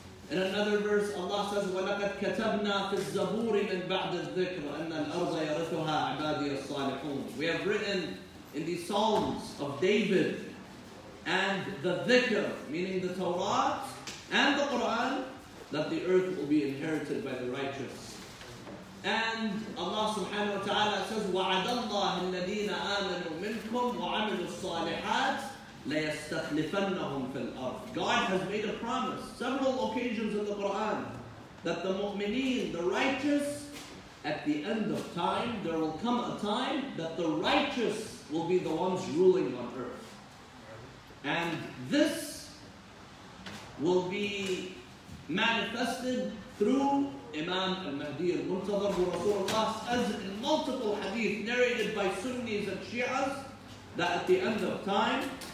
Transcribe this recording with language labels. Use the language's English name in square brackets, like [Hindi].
[English] In another verse, Allah says, [Arabic] وَلَقَدْ كَتَبْنَا فِي الزَّبُورِ مِنْ بَعْدِ الذِّكْرِ أَنَّ الْأَرْضَ يَرِثُهَا عِبَادِيَ الصَّالِحُونَ. [English] We have written in the Psalms of David and the Dhikr, meaning the Torah and the Quran, that the earth will be inherited by the righteous. And Allah subhanahu wa ta'ala says, [Arabic] وَعَدَ اللَّهِ الَّذِينَ آمَنُوا مِنْكُمْ وَعَمِلُوا الصَّالِحَاتِ لَيَسْتَخْلِفَنَّهُمْ فِي الْأَرْضِ. [English] God has made a promise several occasions in the Quran that the mu'mineen, the righteous, at the end of time, there will come a time that the righteous will be the ones ruling on earth. And this will be manifested through Imam al-Mahdi al-Muntazir who Rasulullah says in multiple hadith narrated by Sunnis and Shias that at the end of time,